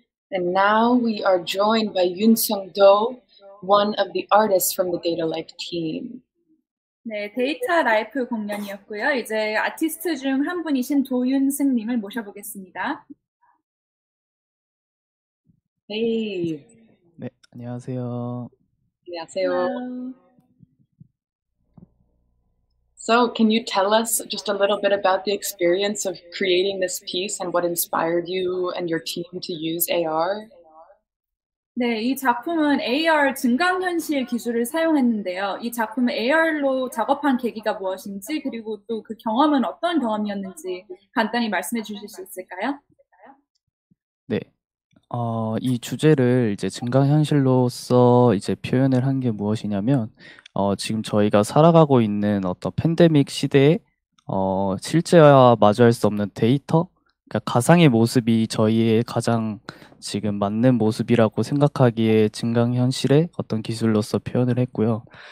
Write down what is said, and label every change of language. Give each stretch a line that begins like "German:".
English: And now we are joined by Yoon Sung Do, one of the artists from the Data Life team.
Korean: 네, 데이터 라이프 공연이었고요. 이제 아티스트 중 한 분이신 도윤승님을 모셔보겠습니다.
English: Hey.
Korean: 네, 안녕하세요. 안녕하세요.
English: So, can you tell us just a little bit about the experience of creating this piece and what inspired you and your team to use AR?
Korean: 네, 이 작품은 AR 증강현실 기술을 사용했는데요. 이 작품을 AR로 작업한 계기가 무엇인지 그리고 또 그 경험은 어떤 경험이었는지 간단히 말씀해 주실 수 있을까요? 네, 이 주제를 이제 증강현실로서 이제 표현을 한 게 무엇이냐면 지금 저희가 살아가고 있는 어떤 팬데믹 시대에 실제와 마주할 수 없는 데이터, 그러니까 가상의 모습이 저희의 가장 지금 맞는 모습이라고 생각하기에 증강현실의 어떤 기술로서 표현을 했고요.